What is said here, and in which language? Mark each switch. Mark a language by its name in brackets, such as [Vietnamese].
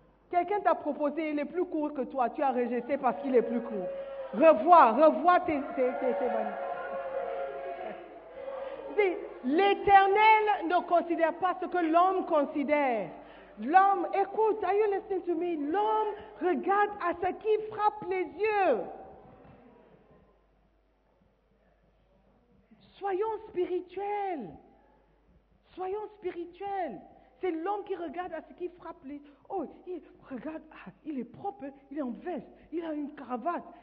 [French] Quelqu'un t'a proposé, il est plus court que toi, tu as rejeté parce qu'il est plus court. Revois tes bonnes. L'Éternel ne considère pas ce que l'homme considère. L'homme, écoute, [English] are you listening to me? [French] L'homme regarde à ce qui frappe les yeux. Soyons spirituels. Soyons spirituels. C'est l'homme qui regarde à ce qui frappe les... Oh, il regarde, ah, il est propre, il est en veste, il a une cravate.